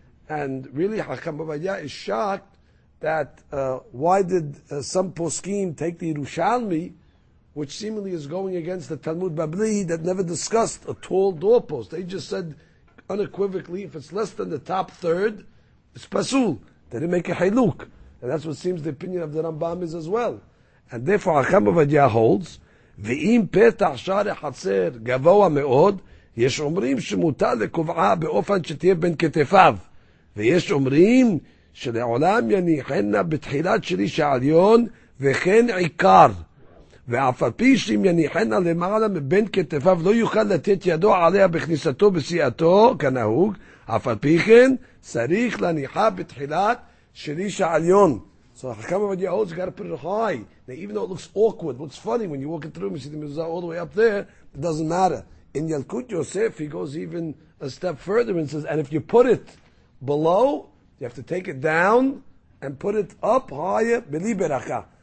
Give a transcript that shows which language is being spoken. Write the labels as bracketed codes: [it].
[en] And really, Hakam Avadiyah is shocked that why did some poskim take the Yerushalmi, which seemingly is going against the Talmud Babli, that never discussed a tall doorpost. They just said unequivocally, if it's less than the top third, it's pasul. They didn't make a hailuk. And that's what seems the opinion of the Rambam is as well. And therefore, Hakam Avadiyah holds, [he] ואם פתח שער החצר גבוה מאוד, יש אומרים שמותר לקובעה באופן שתהיה בין כתפיו. ויש אומרים שלעולם יניחנה בתחילת שליש העליון וכן עיקר. ואף על פי שאם יניחנה למעלה מבין כתפיו, לא יוכל לתת ידו עליה בכניסתו בסיעתו, כנהוג, אף על פי כן, צריך להניחה בתחילת שליש העליון. [en] So Hakam Avadiyah holds, you got to put it high. Now, even though it looks awkward, looks funny when you're walking through and you see the mezuzah all the way up there, it doesn't matter. In Yalkut Yosef, he goes even a step further and says, and if you put it below, you have to take it down and put it up higher, b'li beracha.